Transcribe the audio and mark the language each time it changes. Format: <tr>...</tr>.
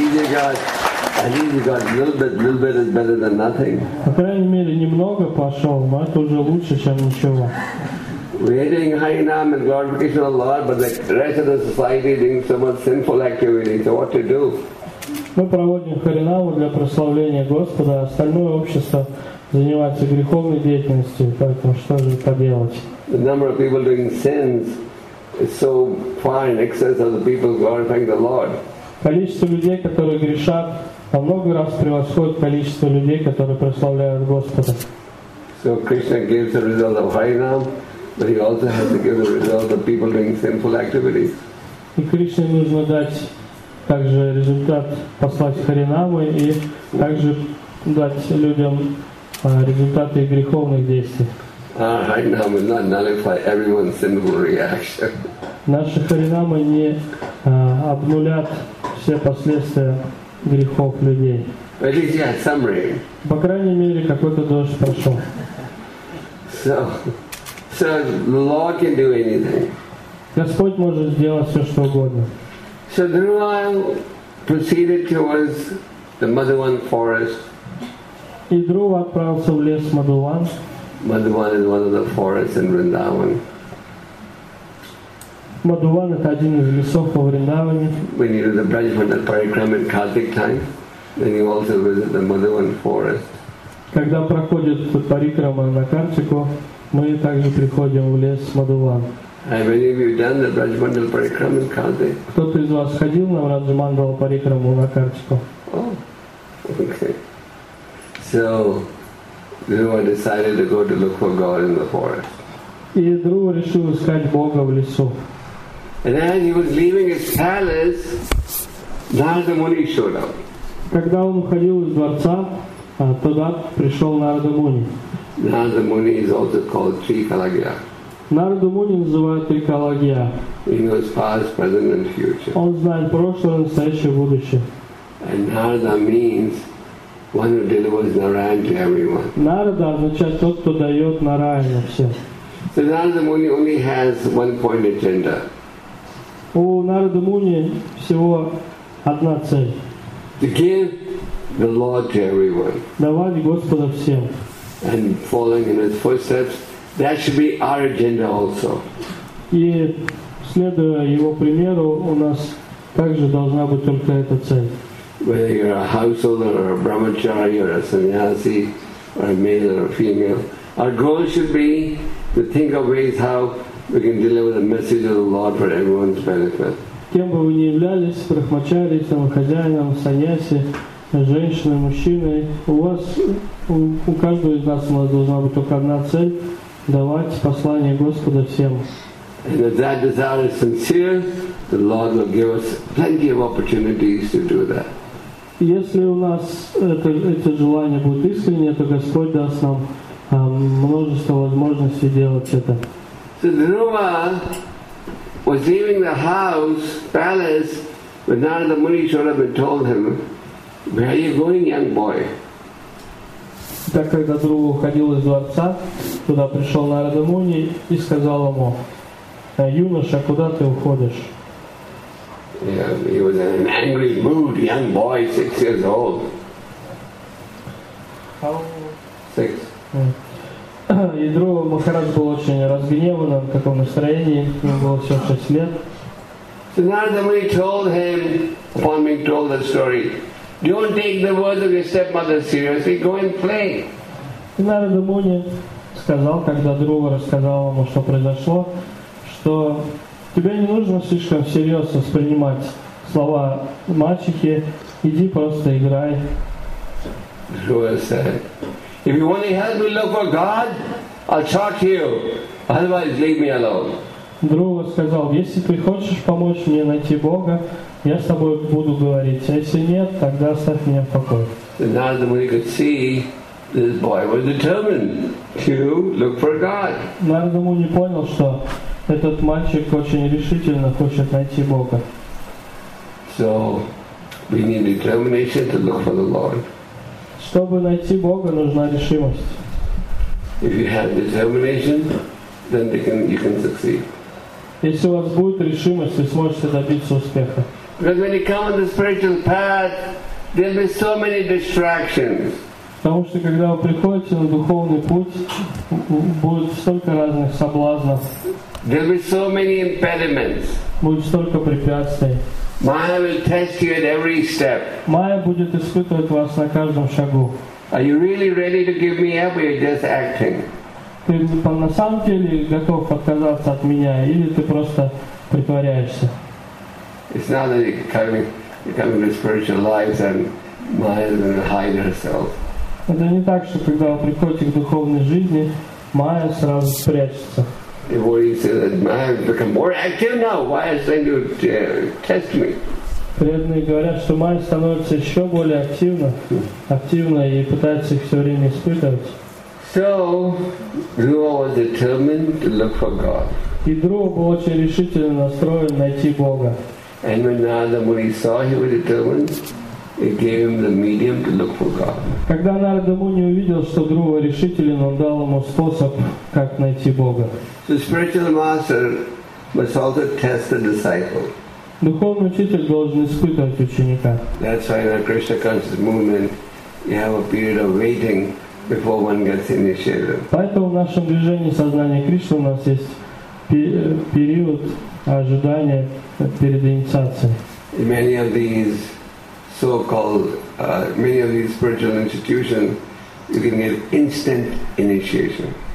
<en>I believe you got little bit is better than nothing.</en> <ru>По крайней мере, немного пошел, но это уже лучше, чем ничего.</ru> <en>We're doing Harinam and glorification of the Lord, but the rest of the society is doing so much sinful activity. So what to do?</en> <ru>Мы проводим Харинаму для прославления Господа, а остальное общество занимается греховной деятельностью, поэтому что же поделать?</ru> <en>The number of people doing sins is so far in excess of the people glorifying the Lord.</en> <ru>Количество людей, которые грешат, во много раз превосходит количество людей, которые прославляют Господа.</ru> <en>So Krishna gives the result of Harinam, but he also has to give the result of people doing sinful activities.</en> <ru>И Кришне нужно дать также результат послать Харинаму и также дать людям результаты их греховных действий.</ru> <en>Харинама not nullify everyone's sinful reaction.</en> <ru>Наши харинамы не обнулят все последствия грехов людей.</ru> <en>At least you had some rain.</en> <ru>По крайней мере, какой-то дождь прошел.</ru> <en>So the Lord can do anything.</en> <ru>Господь может сделать все, что угодно.</ru> <en>So Dhruvayal proceeded towards the Madhuvan forest.</en> <ru>И Друва отправился в лес Мадхуван.</ru> <en>Madhuvan is one of the forests in Vrindavan. Madhuvan is one of the forests in Vrindavan. When you do the Brajmanda Parikrama in Kartik time, then you also visit the Madhuvan forest.</en> <ru>Когда проходит парикрама на Картику, мы также приходим в лес Мадхуван.</ru> <en>Have any of you done the Brajmanda Parikrama in Kartik?</en> <ru>Кто-то из вас ходил на Брадж-Манда Парикраму на Картику?</ru> <en>Oh, okay. So Dhruva decided to go to look for God in the forest.</en> <ru>И Друва решил искать Бога в лесу.</ru> <en>And as he was leaving his palace, Narada Muni showed up.</en> <ru>Когда он уходил из дворца, туда пришел Нарада Муни.</ru> <en>Narada Muni is also called Trikalagya.</en> <ru>Нарада Муни называют Трикалагья.</ru> <en>He knows past, present, and future.</en> <ru>Он знает прошлое, настоящее, будущее.</ru> <en>And Narada means one who delivers Narayan to everyone.</en> <ru>Narada означает тот, кто дает Нараяну всем.</ru> <en>So Narada Muni only has one point agenda.</en> <ru>У Narada Muni всего одна цель.</ru> <en>To give the Lord to everyone.</en> <ru>Давать Господа всем.</ru> <en>And following in His footsteps, that should be our agenda also.</en> <ru>И следуя Его примеру, у нас также должна быть только эта цель.</ru> <en>Whether you're a householder or a brahmachari or a sannyasi or a male or a female, our goal should be to think of ways how we can deliver the message of the Lord for everyone's benefit.</en> <ru>Кем бы вы ни являлись, брахмачари, самохозяином, саньяси, женщиной, мужчиной, у каждого из нас должна быть только одна цель – давать послание Господа всем.</ru> <en>And if that desire is sincere, the Lord will give us plenty of opportunities to do that.</en> <ru>Если у нас это желание будет искреннее, то Господь даст нам множество возможностей делать это.</ru> <en>So Dhruva was leaving the house, palace, but Narada Muni showed up and told him, "Where are you going, young boy?"</en> <ru>Так когда Друва уходил из дворца, туда пришел Нарада Муни и сказал ему, "Юноша, куда ты уходишь?"</ru> <en>Yeah, he was in an angry mood, young boy, 6 years old. How old? Six.</en> <ru>Ядро Махарадж был очень разгневан, в таком настроении, ему было всего 6 лет.</ru> <en>So Narada Muni told him, upon being told the story, "Don't take the words of your stepmother seriously, go and play."</en> <ru>Narada Muni сказал, когда Друва рассказал ему, что произошло, что тебе не нужно слишком всерьез воспринимать слова мачехи. Иди просто играй.</ru> <en>Dhruva said, "If you only help me look for God, I'll shock you. Otherwise, leave me alone."</en> <ru>Dhruva сказал, "Если ты хочешь помочь мне найти Бога, я с тобой буду говорить. А если нет, тогда оставь меня в покое."</ru> <en>And now that we could see, this boy was determined to look for God.</en> <ru>Narada Muni понял, что этот мальчик очень решительно хочет найти Бога.</ru> <en>So, we need determination to look for the Lord.</en> <ru>Чтобы найти Бога, нужна решимость.</ru> <en>If you have determination, then you can succeed.</en> <ru>Если у вас будет решимость, вы сможете добиться успеха.</ru> <en>Because when you come on the spiritual path, there'll be so many distractions.</en> <ru>Потому что когда вы приходите на духовный путь, будет столько разных соблазнов.</ru> <en>There'll be so many impediments.</en> <ru>Будет столько препятствий.</ru> <en>Maya will test you at every step.</en> <ru>Maya будет испытывать вас на каждом шагу.</ru> <en>Are you really ready to give me up, or you're just acting?</en> <ru>Ты на самом деле готов отказаться от меня, или ты просто притворяешься?</ru> <en>It's not that you're coming to spiritual lives and Maya is going to hide herself.</en> <ru>Это не так, что когда вы приходите к духовной жизни, Maya сразу спрячется.</ru> <en>The devotee says that Maya has become more active now. Why is trying to test me?</en> <ru>Преданные говорят, что Майя становится еще более активна и пытается их все время испытывать.</ru> <en>So Dhruva was determined to look for God.</en> <ru>И Дрова был очень решительно настроен найти Бога.</ru> <en>And when Narada Muni saw he was determined, it gave him the medium to look for God.</en> <ru>Когда Нарада Муни увидел, что Дрова решителен, он дал ему способ, как найти Бога.</ru> <en>So spiritual master must also test the disciple.</en> <ru>Духовный учитель должен испытывать ученика.</ru> <en>That's why in a Krishna consciousness movement, you have a period of waiting before one gets initiated.</en> <ru>Поэтому в нашем движении сознания Кришны у нас есть период ожидания перед инициацией.</ru> <en>Many of these so-called, many of these spiritual institutions, you can get instant initiation.</en>